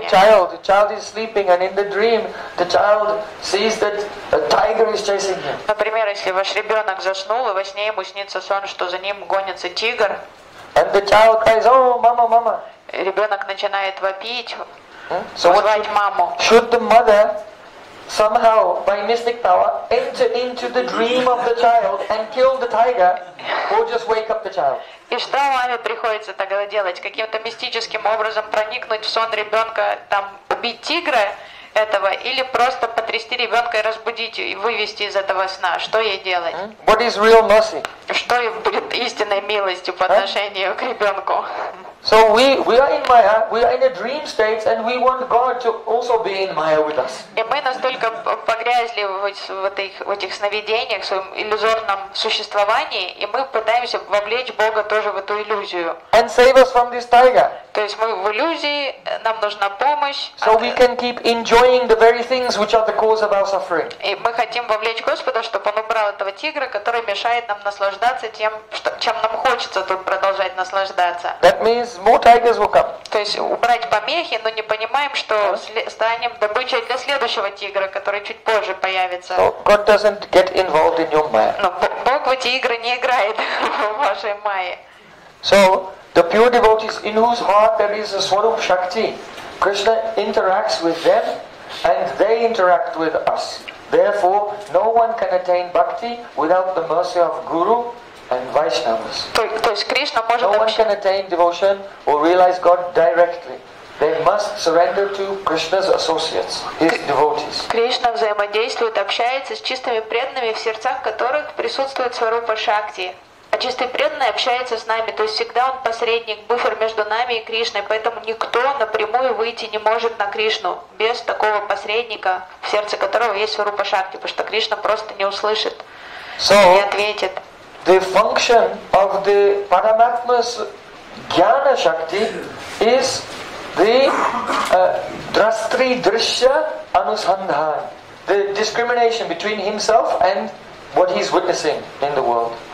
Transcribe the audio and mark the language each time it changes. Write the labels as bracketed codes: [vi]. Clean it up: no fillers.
[en] Just like a child. The child is sleeping, and in the dream, the child sees that a tiger is chasing him. [ru] Например, если ваш ребенок заснул, и во сне ему снится сон, что за ним гонится тигр. [en] And the child cries, "Oh, mama, mama!" [ru] Ребенок начинает вопить, звать маму. [en] Should the mother somehow, by mystic power, enter into the dream of the child and kill the tiger, or just wake up the child? [ru] И что маме приходится тогда делать? Каким-то мистическим образом проникнуть в сон ребенка, там убить тигра этого, или просто потрясти ребенка и разбудить и вывести из этого сна? Что ей делать? [en] What is real mercy? [ru] Что будет истинной милостью по отношению к ребенку? [en] So we are in a dream state, and we want God to also be in Maya with us. [ru] И мы настолько погрязли в этих сновидениях, в своем иллюзорном существовании, и мы пытаемся вовлечь Бога тоже в эту иллюзию. [en] And save us from this tiger. [ru] То есть мы в иллюзии, нам нужна помощь. [en] So we can keep enjoying the very things which are the cause of our suffering. [ru] И мы хотим вовлечь Господа, чтобы он убрал этого тигра, который мешает нам наслаждаться тем, чем нам хочется тут продолжать наслаждаться. [en] That means more tigers will come. [ru] То есть убрать помехи, но не понимаем, что станем добычей для следующего тигра, который чуть позже появится. [en] So God doesn't get involved in your maya. [ru] Но Бог в эти игры не играет в вашей майе. [en] So the pure devotees in whose heart there is a Swarup Shakti, Krishna interacts with them and they interact with us. Therefore, no one can attain bhakti without the mercy of Guru. And Vaishnavas. [ru] То есть Кришна может. [en] No one can attain devotion or realize God directly. They must surrender to Krishna's associates, his devotees. [ru] Кришна взаимодействует, общается с чистыми преданными, в сердцах которых присутствует Сварупа Шакти. А чистый преданный общается с нами, то есть всегда он посредник, буфер между нами и Кришной, поэтому никто напрямую выйти не может на Кришну без такого посредника, в сердце которого есть Сварупа Шакти, потому что Кришна просто не услышит, не ответит. [en] The function of the Paramatma's Jnana Shakti is the Drastri Drishya Anusandhan, the discrimination between himself and what he's witnessing in the world.